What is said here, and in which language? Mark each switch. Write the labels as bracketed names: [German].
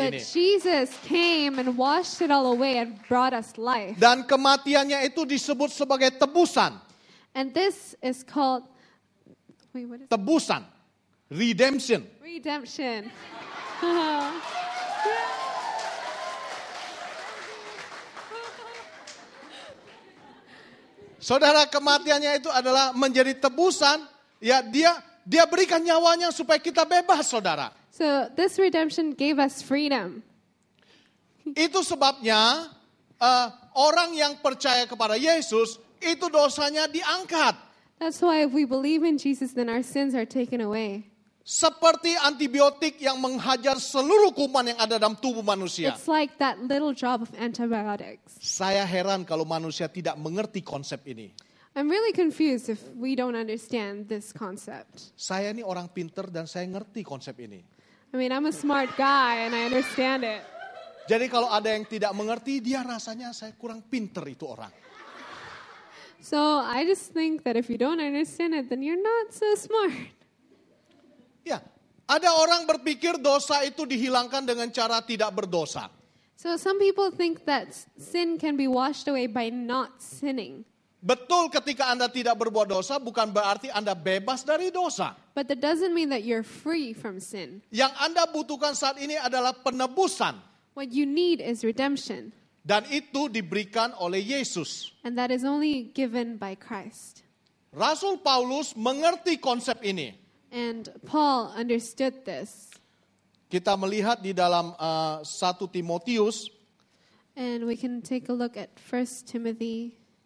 [English] But [Indonesian] ini. [English] But Jesus came and washed it all away and brought us life. [Indonesian] Dan kematiannya itu disebut sebagai tebusan. [English] And this is called, wait, what is it? [Indonesian] Tebusan. Redemption. [English] Redemption. [Indonesian] Saudara, kematiannya itu adalah menjadi tebusan. Ya, dia berikan nyawanya supaya kita bebas, saudara. [English] So this redemption gave us freedom. [Indonesian] Itu sebabnya orang yang percaya kepada Yesus itu dosanya diangkat. [English] That's why if we believe in Jesus, then our sins are taken away. [Indonesian] Seperti antibiotik yang menghajar seluruh kuman yang ada dalam tubuh manusia. [English] It's like that little drop of antibiotics. [Indonesian] Saya heran kalau manusia tidak mengerti konsep ini. [English] I'm really confused if we don't understand this concept. [Indonesian] Saya ini orang pinter dan saya ngerti konsep ini. [English] I mean, I'm a smart guy and I understand it. [Indonesian] Jadi kalau ada yang tidak mengerti, dia rasanya saya kurang pinter itu orang. [English] So I just think that if you don't understand it, then you're not so smart. Yeah. [Indonesian] Ada orang berpikir dosa itu dihilangkan dengan cara tidak berdosa. [English] So some people think that sin can be washed away by not sinning. [Indonesian] Betul, ketika Anda tidak berbuat dosa, bukan berarti Anda bebas dari dosa. [English] But that doesn't mean that you're free from sin. [Indonesian] Yang Anda butuhkan saat ini adalah penebusan. [English] What you need is redemption. [Indonesian] Dan itu diberikan oleh Yesus. [English] And that is only given by Christ. [Indonesian] Rasul Paulus mengerti konsep ini. [English] And Paul understood this. [Indonesian] Kita melihat di dalam 1 Timotius. [English] And we can take a look at 1 Timothy.